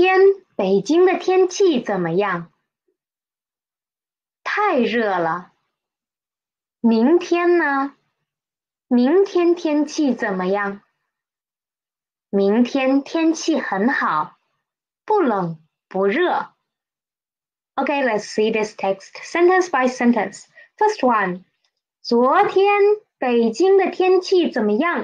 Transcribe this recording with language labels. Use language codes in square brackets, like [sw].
[zh] 昨天北京的天气怎么样?太热了。明天呢?明天天气怎么样? 明天天气很好,不冷不热。 [en] Okay, let's see this text sentence by sentence. First one. [zh] 昨天北京的天气怎么样?